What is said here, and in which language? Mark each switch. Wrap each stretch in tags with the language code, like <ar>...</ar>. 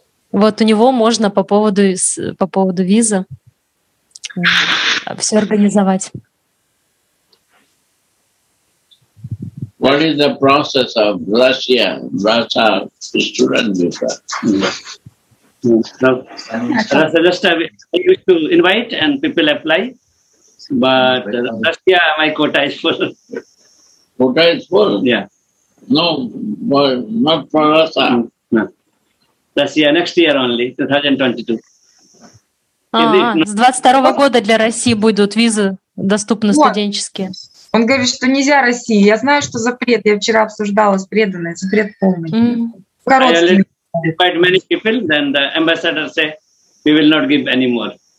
<ru>Вот у него можно по поводу визы все организовать.</ru> <en>What is the process of Russia, Russia student visa? So just I used to invite and people apply, but last year my quota is full. Buddha is full. Yeah. No, well, not for us. No. That's yeah, next year only, 2022.</en> <ru>С 22-го года для России будут визы доступны студенческие. Он говорит, что нельзя России. Я знаю, что запрет. Я вчера обсуждала с преданной. Запрет полный. Короткий.</ru> <en>Quite many people, then the ambassador say, we will not give any more.</en>